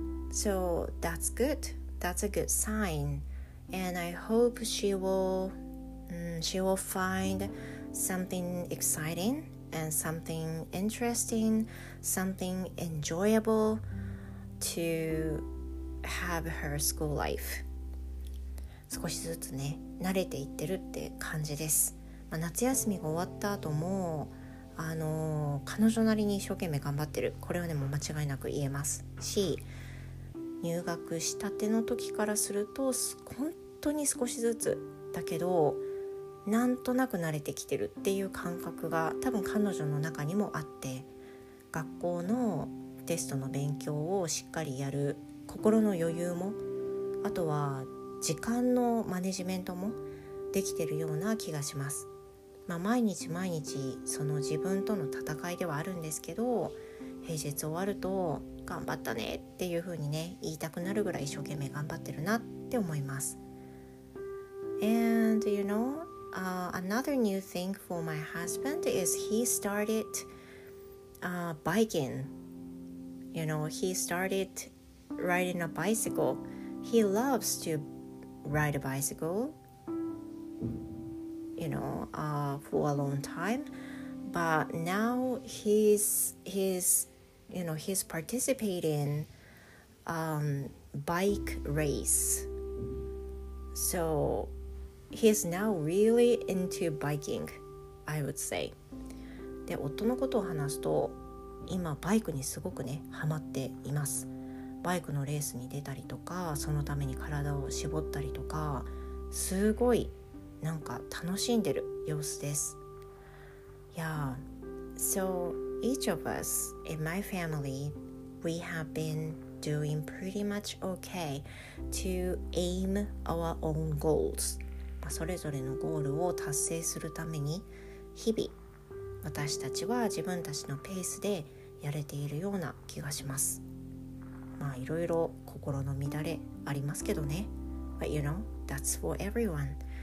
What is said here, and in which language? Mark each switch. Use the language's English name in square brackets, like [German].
[English] So that's good. That's a good sign. And I hope she will find something exciting and something interesting, something enjoyable to have her school life. [Japanese] 少しずつね慣れていってるって感じです。まあ、夏休みが終わった後も彼女なりに一生懸命頑張ってる、これはでも間違いなく言えますし、入学したての時からすると本当に少しずつだけどなんとなく慣れてきてるっていう感覚が多分彼女の中にもあって、学校のテストの勉強をしっかりやる心の余裕も、あとは時間のマネジメントもできてるような気がします。まあ、毎日毎日その自分との戦いではあるんですけど、平日終わると頑張ったねっていう風にね言いたくなるぐらい一生懸命頑張ってるなって思います。 [English] And you know、another new thing for my husband is he started、biking. You know, he started riding a bicycle. He loves to ride a bicycle, you know, for a long time. But now he's participating bike race. So he's now really into biking, I would say. [Japanese] で、夫のことを話すと、今バイクにすごくね、ハマっています。バイクのレースに出たりとか、そのために体を絞ったりとか、すごいなんか楽しんでる様子です。 [English] Yeah, so each of us in my family, we have been doing pretty much okay to aim our own goals. [Japanese] それぞれのゴールを達成するために日々私たちは自分たちのペースでやれているような気がします。まあいろいろ心の乱れありますけどね。 [English] But you know, that's for everyone.